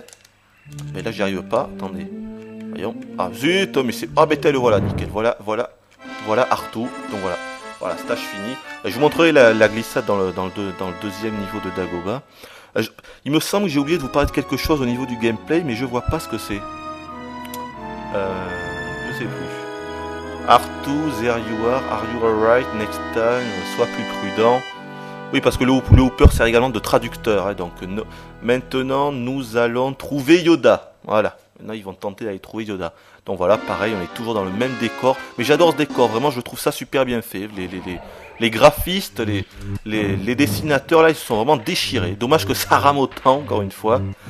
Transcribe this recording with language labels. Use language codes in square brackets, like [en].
[fr] Hein. Mais là, j'y arrive pas. Attendez. Voyons. Ah zut, mais c'est. Ah, bête, le voilà, nickel. Voilà, R2. Donc voilà. Voilà, stage fini. Je vous montrerai la glissade dans le deuxième niveau de Dagobah. Il me semble que j'ai oublié de vous parler de quelque chose au niveau du gameplay, mais je vois pas ce que c'est. Je sais plus. [en] R2, there you are you alright next time? [fr] Sois plus prudent. Oui, parce que le Hooper sert également de traducteur. Hein, donc, maintenant, nous allons trouver Yoda. Voilà. Maintenant, ils vont tenter d'aller trouver Yoda. Donc, voilà, pareil, on est toujours dans le même décor. Mais j'adore ce décor. Vraiment, je trouve ça super bien fait. Les graphistes, les dessinateurs, là, ils se sont vraiment déchirés. Dommage que ça rame autant, encore une fois.